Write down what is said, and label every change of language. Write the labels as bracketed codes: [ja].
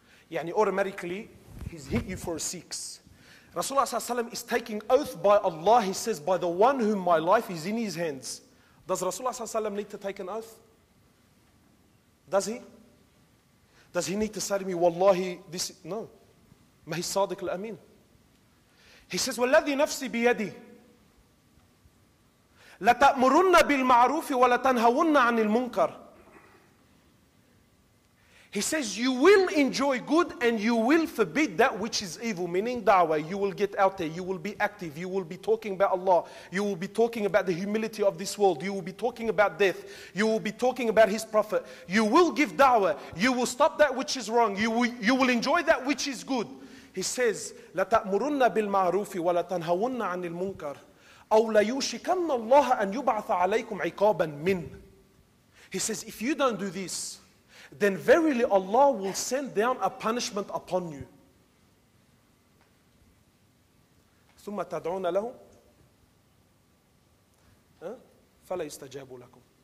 [en] يعني automatically, he's hit you for a six. Rasulullah sallallahu alaihi wasallam is taking oath by Allah. He says, by the one whom my life is in his hands. Does Rasulullah sallallahu alaihi wasallam need to take an oath? Does he? Does he need to say to me, wallahi, this is, no. May his sadiq al-ameen. He says, [ar] وَالَّذِي نَفْسِي بِيَدِهِ. لَتَأْمُرُنَّ بِالْمَعْرُوفِ وَلَتَنْهَوُنَّ عَنِ الْمُنْكَرِ. [en] He says, you will enjoy good and you will forbid that which is evil, meaning da'wah. You will get out there. You will be active. You will be talking about Allah. You will be talking about the humility of this world. You will be talking about death. You will be talking about His Prophet. You will give da'wah. You will stop that which is wrong. You will enjoy that which is good. He says, [ar] لَتَأْمُرُنَّ بِالْمَعْرُوفِ وَلَتَنْهَوُنَّ عَنِ الْمُنْكَرِ. أَوْ لَيُوشِكَنَّ اللَّهَ أَنْ يُبْعَثَ عَلَيْكُمْ عِقَابًا مِنْ. [en] He says, if you don't do this, then verily Allah will send down a punishment upon you. [ar] ثُمَّ تَدْعُونَ لَهُمْ فَلَا يَسْتَجَابُ لَكُمْ.